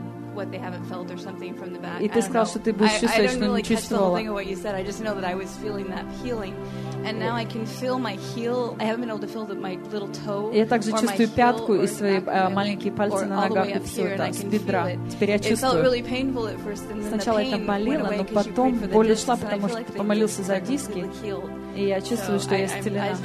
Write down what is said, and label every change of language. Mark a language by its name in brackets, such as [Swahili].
[English] What they haven't felt or something from the back. [Russian] И ты сказал, что ты будешь чувствовать, что не чувствовала. [English] I don't really catch the whole thing of what you said. I just know that I was feeling that healing, and now I can feel my heel. I haven't been able to feel that my little toe. [Russian] Я также чувствую пятку и свои маленькие пальцы на ногах и все это с бедра. Теперь я чувствую. [English] It felt really painful at first, and then the pain went away. [Russian] Но потом боль ушла, потому что ты помолился за диски. И я чувствую, что я исцелена.